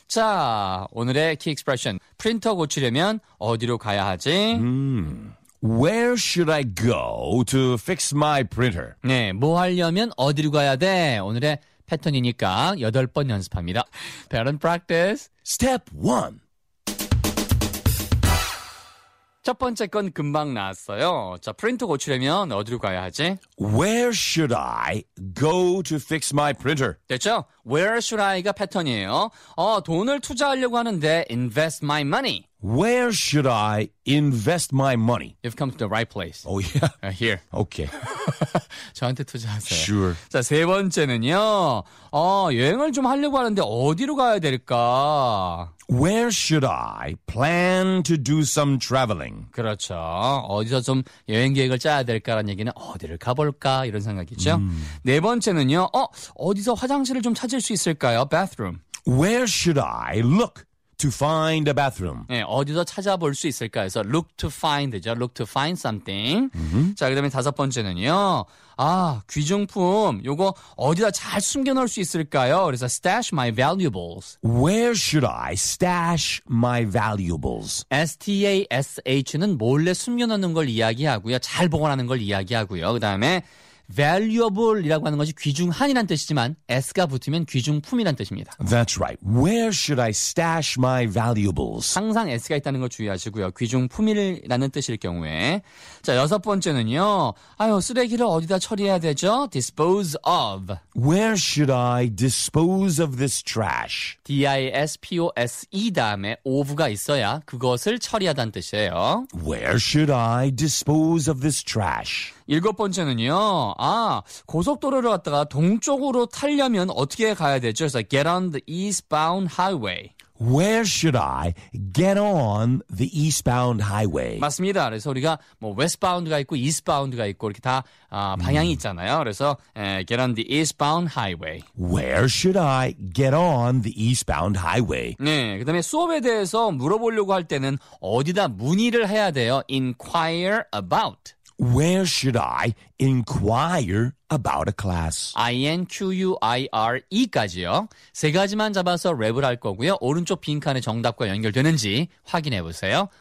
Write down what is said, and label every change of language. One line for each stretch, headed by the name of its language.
Korean: 자, 오늘의
English: key expression.
Korean: 프린터 고치려면 어디로 가야 하지?
English: Where should I go to fix my printer?
Korean: 네, 뭐 하려면 어디로 가야 돼? 오늘의 패턴이니까 여덟 번 연습합니다.
English: Pattern practice. Step 1.
Korean: 첫 번째 건 금방 나왔어요. 자, 프린터 고치려면 어디로 가야 하지?
English: Where should I go to fix my printer?
Korean: 됐죠?
English: Where should I가
Korean: 패턴이에요. 돈을 투자하려고 하는데
English: invest my money. Where should I invest my money? You've come to the right place. Oh, yeah. Here. Okay.
Korean: 저한테 투자하세요.
English: Sure.
Korean: 자, 세 번째는요. 여행을 좀 하려고 하는데 어디로 가야 될까?
English: Where should I plan to do some traveling?
Korean: 그렇죠. 어디서 좀 여행 계획을 짜야 될까라는 얘기는 어디를 가볼까? 이런 생각이죠. 네 번째는요. 어디서 화장실을 좀 찾을 수 있을까요?
English: Bathroom. Where should I look? To find a bathroom.
Korean: 네, 어디서 찾아볼 수 있을까 해서
English: look to find
Korean: 죠.
English: Look to find something. Mm-hmm.
Korean: 자, 그 다음에 다섯 번째는요. 아, 귀중품. 요거 어디다 잘 숨겨놓을 수 있을까요? 그래서
English: stash my valuables. Where should I stash my valuables?
Korean: S-T-A-S-H는 몰래 숨겨놓는 걸 이야기하고요. 잘 보관하는 걸 이야기하고요. 그 다음에 valuable이라고 하는 것이 귀중한이란 뜻이지만 S가 붙으면 귀중품이란 뜻입니다.
English: That's right. Where should I stash my valuables?
Korean: 항상 S가 있다는 걸 주의하시고요. 귀중품이라는 뜻일 경우에. 자, 여섯 번째는요. 아유, 쓰레기를 어디다 처리해야 되죠?
English: Dispose of. Where should I dispose of this trash?
Korean: D-I-S-P-O-S-E 다음에 of가 있어야 그것을 처리하다는 뜻이에요.
English: Where should I dispose of this trash?
Korean: 일곱 번째는요. 아, 고속도로를 갔다가 동쪽으로 타려면 어떻게 가야 되죠? 그래서
English: get on the eastbound highway. Where should I get on the eastbound highway?
Korean: 맞습니다. 그래서 우리가 뭐 westbound가 있고 eastbound가 있고 이렇게 다 방향이 있잖아요. 그래서
English: get on the eastbound highway. Where should I get on the eastbound highway?
Korean: 네, 그 다음에 수업에 대해서 물어보려고 할 때는 어디다 문의를 해야 돼요?
English: Inquire about. Where should I inquire about a class?
Korean: I-N-Q-U-I-R-E까지요. 세 가지만 잡아서 랩을 할 거고요. 오른쪽 빈칸에 정답과 연결되는지 확인해 보세요.